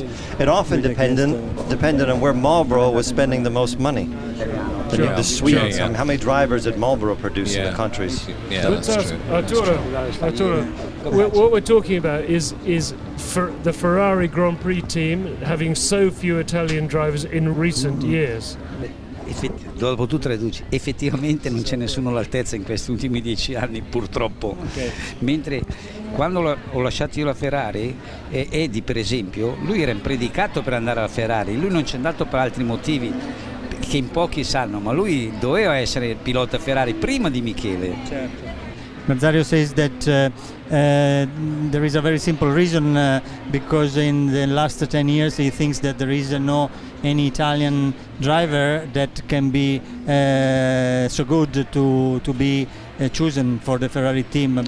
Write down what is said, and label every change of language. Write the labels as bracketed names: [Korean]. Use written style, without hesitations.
[English] It often dependent on where Marlboro was spending the most money. Sure. The Swedes. Sure, yeah. I mean, how many drivers did Marlboro produce in the countries? Arturo, what we're talking about is for the Ferrari Grand Prix team having so few Italian drivers in recent years. [Italian] Dopo tu traduci, effettivamente non c'è nessuno all'altezza in questi ultimi 10 anni, purtroppo. Mentre quando ho lasciato io la Ferrari, Eddie per esempio, lui era impredicato per andare alla Ferrari, lui non c'è andato per altri motivi che in pochi sanno, ma lui doveva essere il pilota Ferrari prima di Michele. Certo. [English] Nazario says that there is a very simple reason, because in the last 10 years he thinks that there is no any Italian driver that can be so good to be chosen for the Ferrari team.